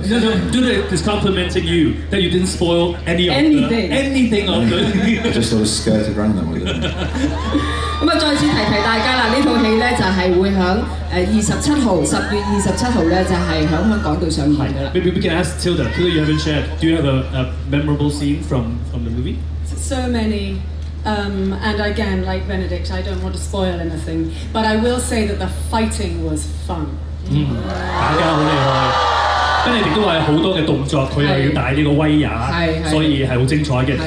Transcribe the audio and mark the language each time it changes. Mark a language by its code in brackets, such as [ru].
[en] No, do this is complimenting you that you didn't spoil anything of it. Just sort of skirted around them. [yue] 咁啊，再次提大家啦，呢套戲咧就係會響10月27號咧就係響香港度上映噶啦。 [en] Maybe we can ask Tilda, you haven't shared. Do you have a memorable scene from the movie? So many, and again, like Benedict, I don't want to spoil anything, but I will say that the fighting was fun. [yue] 嗯，打架好厲害。Benedict 都係好多嘅動作，佢又要帶呢個威亞，所以係好精彩嘅。